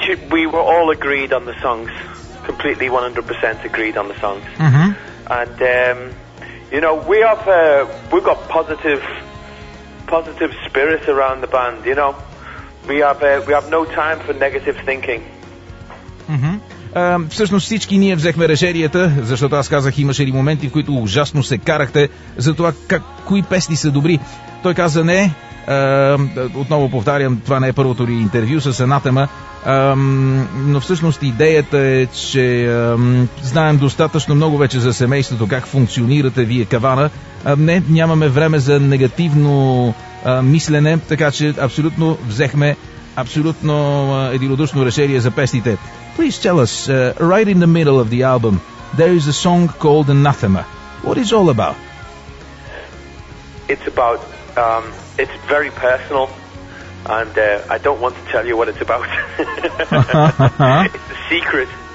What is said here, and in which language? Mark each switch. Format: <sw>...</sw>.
<en>We were all agreed on the songs, completely 100% agreed on the songs. Mm-hmm. And you know, we've got positive spirit around the band. You know, we have no time for negative thinking. Mm-hmm.</en> <bg>Всъщност всички ние взехме решенията, защото аз казах, имаше ли моменти, в които ужасно се карахте за това кои песни са добри. Той каза не. Отново повтарям, това не е първото ни интервю с Анатема, но всъщност идеята е, че знаем достатъчно много вече за семейството, как функционирате вие, Кавана. Не, нямаме време за негативно мислене, така че абсолютно взехме абсолютно единодушно решение за песните.</bg> <en>Please tell us, right in the middle of the album, there is a song called Anathema. What is it all about? It's about it's very personal, and I don't want to tell you what it's about. It's a secret.</en>